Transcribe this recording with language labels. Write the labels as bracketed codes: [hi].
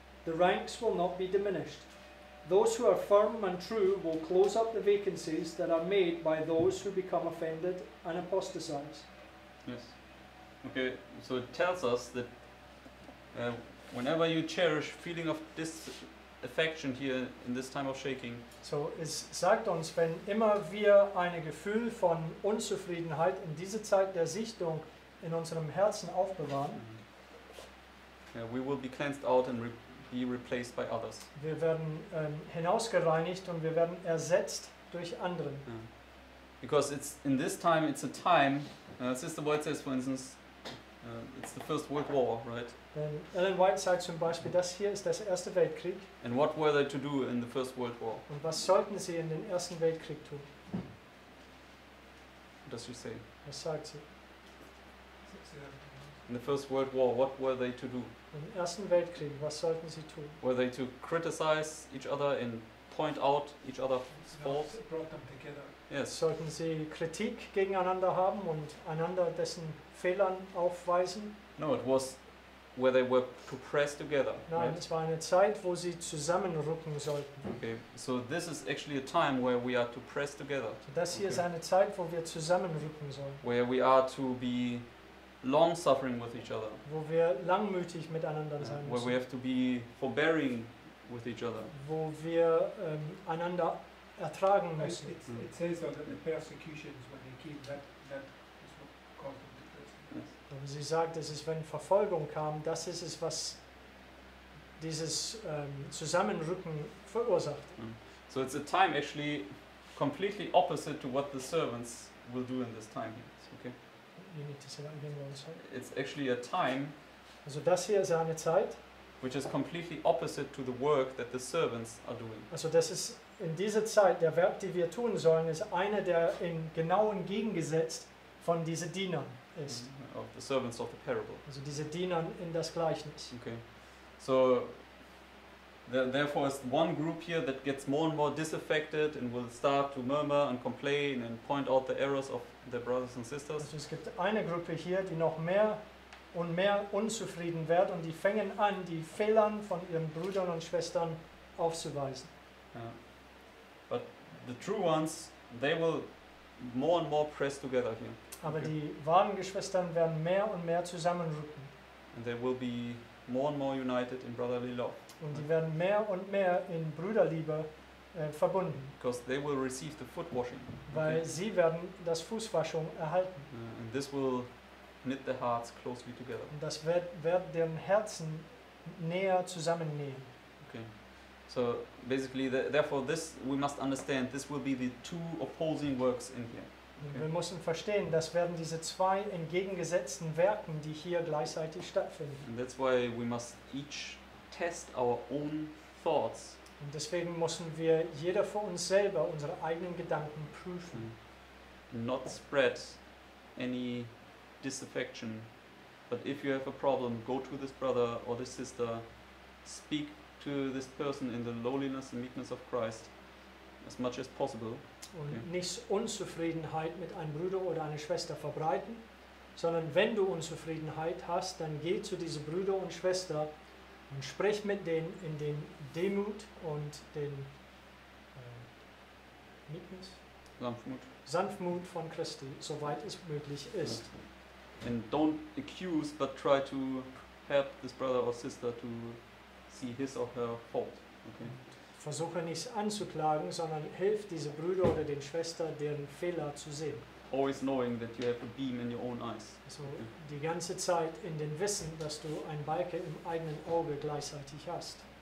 [en] The ranks will not be diminished. Those who are firm and true will close up the vacancies that are made by those who become offended and apostatize." Yes. Okay, so it tells us that whenever you cherish feeling of disaffection here in this time of shaking. [de] So es sagt uns, wenn immer wir ein Gefühl von Unzufriedenheit in dieser Zeit der Sichtung in unserem Herzen aufbewahren. [en] Yeah, we will be cleansed out and be replaced by others. [de] Wir werden hinausgereinigt und wir werden ersetzt durch anderen. [en] Yeah. Because it's in this time, it's a time. Sister White says, for instance, it's the First World War, right? [de] Then Ellen White sagt zum Beispiel, das hier ist der Erste Weltkrieg. [en] And what were they to do in the First World War? [de] Und was sollten sie in den Ersten Weltkrieg tun? [en] What does she say? [de] Was sagt sie? [en] In the First World War, what were they to do? [de] Im Ersten Weltkrieg, was sollten sie tun? [en] Were they to criticize each other and point out each other's faults? Yes. [de] Sollten sie Kritik gegeneinander haben und einander dessen Fehlern aufweisen? [en] No, it was where they were to press together. [de] Nein, [en] right? [de] Es war eine Zeit, wo sie zusammenrücken sollten. [en] Okay, so this is actually a time where we are to press together. [de] So das hier [en] okay. [de] ist eine Zeit, wo wir zusammenrücken sollen. [en] Where we are to be long suffering with each other. [de] Wo wir langmütig miteinander sein müssen. [en] Where we have to be forbearing with each other. [de] Wo wir einander ertragen müssen. [en] It says that the persecutions when they came that is what caused the difference. Yes. [de] Sie sagt, es ist, wenn Verfolgung kam, das ist es, was dieses Zusammenrücken verursacht. [en] So it's a time actually completely opposite to what the servants will do in this time here. Okay. You need to say that again one second. It's actually a time. [de] Also das hier ist eine Zeit, [en] which is completely opposite to the work that the servants are doing. [de] Also das ist in dieser Zeit der Werk, die wir tun sollen, ist eine der in genauen Gegengesetzt von diese Dienern ist. [en] Of the servants of the parable. [de] Also diese Dienern in das Gleichnis. [en] Okay. So therefore is one group here that gets more and more disaffected and will start to murmur and complain and point out the errors of their brothers and sisters. [de] Also es gibt eine Gruppe hier, die noch mehr und mehr unzufrieden wird und die fangen an, die Fehlern von ihren Brüdern und Schwestern aufzuweisen. [en] Yeah. But the true ones, they will more and more press together here. [de] Aber okay. Die wahren Geschwistern werden mehr und mehr zusammenrücken. [en] And they will be more and more united in brotherly love. [de] Und die werden mehr und mehr in Brüderliebe verbunden. [en] Because they will receive the foot washing. [de] Weil okay. sie werden das Fußwaschung erhalten. [en] And this will knit their hearts closely together. [de] Und das wird deren Herzen näher zusammennähen. [en] Okay. So basically, therefore, this we must understand. This will be the two opposing works in here. Okay. [de] Wir müssen verstehen, das werden diese zwei entgegengesetzten Werken, die hier gleichzeitig stattfinden. [en] And that's why we must each test our own thoughts. [de] Und deswegen müssen wir jeder für uns selber unsere eigenen Gedanken prüfen. Mm. [en] Not spread any disaffection, but if you have a problem, go to this brother or this sister, speak to this person in the lowliness and meekness of Christ as much as possible. [de] Und okay. nicht Unzufriedenheit mit einem Bruder oder einer Schwester verbreiten, sondern wenn du Unzufriedenheit hast, dann geh zu diesen Brüder und Schwester und sprich mit denen in den Demut und den Meekness? Sanftmut von Christi, soweit es möglich ist. [en] Okay. And don't accuse, but try to help this brother or sister to see his or her fault. Okay. [de] Versuche nicht anzuklagen, sondern hilf diese Brüder oder den Schwestern, deren Fehler zu sehen. [en] Always knowing that you have a beam in your own eyes. [de] So okay. die ganze Zeit in dem Wissen, dass du ein Balken im eigenen Auge gleichzeitig hast.